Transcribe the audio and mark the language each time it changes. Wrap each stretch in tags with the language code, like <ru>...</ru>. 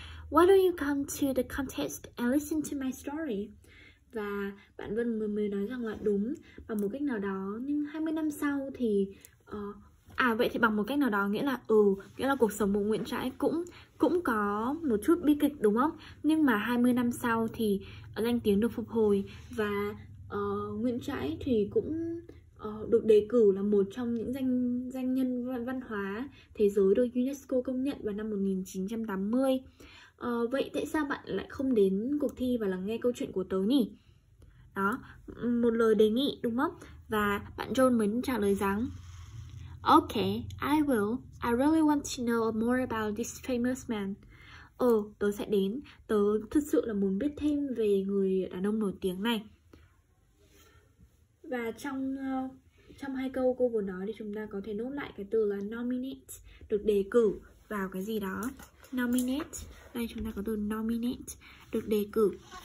<en>Why don't you come to the contest and listen to my story?</en> <vi>Và bạn Vân mới nói rằng là đúng, bằng một cách nào đó, nhưng 20 năm sau thì vậy thì bằng một cách nào đó nghĩa là nghĩa là cuộc sống của Nguyễn Trãi cũng có một chút bi kịch đúng không? Nhưng mà 20 năm sau thì danh tiếng được phục hồi và Nguyễn Trãi thì cũng được đề cử là một trong những danh nhân văn hóa thế giới được UNESCO công nhận vào năm 1980. Vậy tại sao bạn lại không đến cuộc thi và lắng nghe câu chuyện của tớ nhỉ? Đó, một lời đề nghị đúng không? Và bạn John mới trả lời rằng</vi> <en>okay, I will. I really want to know more about this famous man.</en> <vi>Tớ sẽ đến. Tớ thực sự là muốn biết thêm về người đàn ông nổi tiếng này. Và trong hai câu cô vừa nói thì chúng ta có thể nốt lại cái từ là nominate, được đề cử vào cái gì đó. Nominate, đây chúng ta có từ nominate, được đề cử.</vi>